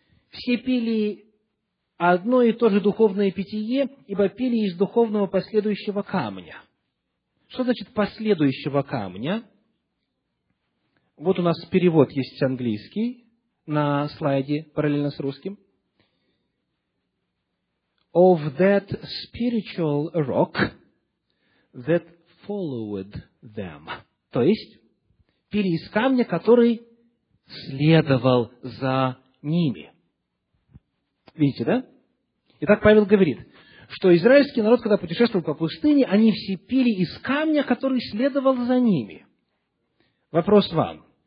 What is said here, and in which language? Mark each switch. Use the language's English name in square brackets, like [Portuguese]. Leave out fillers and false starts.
[Russian] «Все пили одно и то же духовное питье, ибо пили из духовного последующего камня». Что значит «последующего камня»? Вот у нас перевод есть английский на слайде, параллельно с русским. [English] of that spiritual rock that followed them. [Russian] То есть, пили из камня, который следовал за ними. Видите, да? Итак, Павел говорит, что израильский народ, когда путешествовал по пустыне, они все пили из камня, который следовал за ними. Вопрос вам.